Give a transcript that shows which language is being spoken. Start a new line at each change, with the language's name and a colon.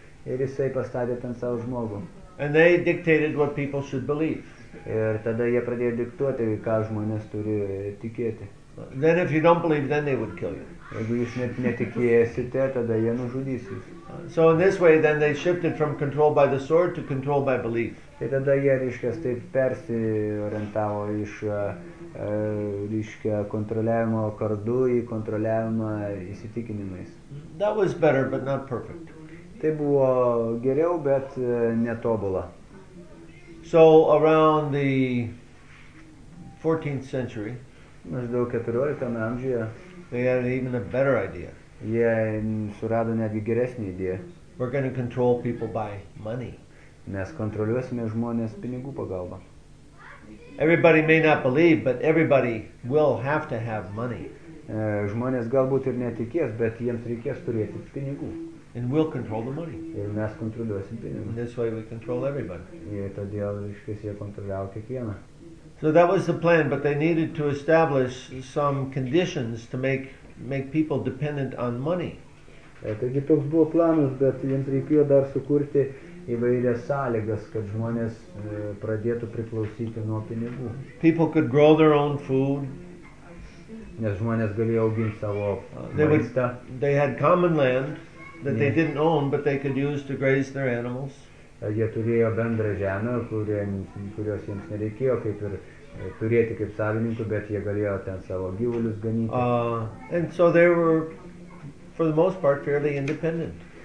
Lithuanian: Ir jisai pastatė ten savo žmogų.
English: And they dictated what people should believe.
Lithuanian: Ir tada jie pradėjo diktuoti, ką žmonės turi tikėti.
English: Then if you don't believe, then they would kill you.
Lithuanian: Jeigu jūs netikėsite, tada jie nužudys jūs.
English: So in this way, then they shifted from control by the sword to control by belief.
Lithuanian: Tai tada jie, reiškia, taip persiorientavo iš, reiškia, kontroliavimo kardu į kontroliavimą įsitikinimais.
English: That was better, but not perfect.
Lithuanian: Tai buvo geriau, bet netobula.
English: So around the 14th century,
Lithuanian: maždaug 14 amžiuje,
English: they had even a better idea.
Lithuanian: Jie surado netgi geresnį idėją.
English: We're going to control people by money.
Lithuanian: Mes kontroliuosime žmonės pinigų pagalba.
English: Everybody may not believe, but everybody will have to have money.
Lithuanian: Žmonės galbūt ir netikės, bet jiems reikės turėti pinigų.
English: And we'll control the money.
Lithuanian: Ir mes kontroliuosim pinigų.
English: And this way we control everybody.
Lithuanian: Ir todėl reiškia, jie kontroliavo kiekvieną.
English: So that was the plan, but they needed to establish some conditions to make people dependent on money.
Lithuanian: Taigi toks buvo planas, bet jiems reikėjo dar sukurti įvairias sąlygas, kad žmonės pradėtų priklausyti nuo pinigų.
English: People could grow their own food.
Lithuanian: Nes žmonės galėjo auginti savo maistą.
English: They had common land that they didn't own, but they could use to graze their animals.
Lithuanian: Jie turėjo bendrą žemę, kurios jiems nereikėjo kaip ir turėti kaip savininkų, bet jie galėjo ten savo gyvulius ganyti.
English: And so they were, for the most part, fairly independent.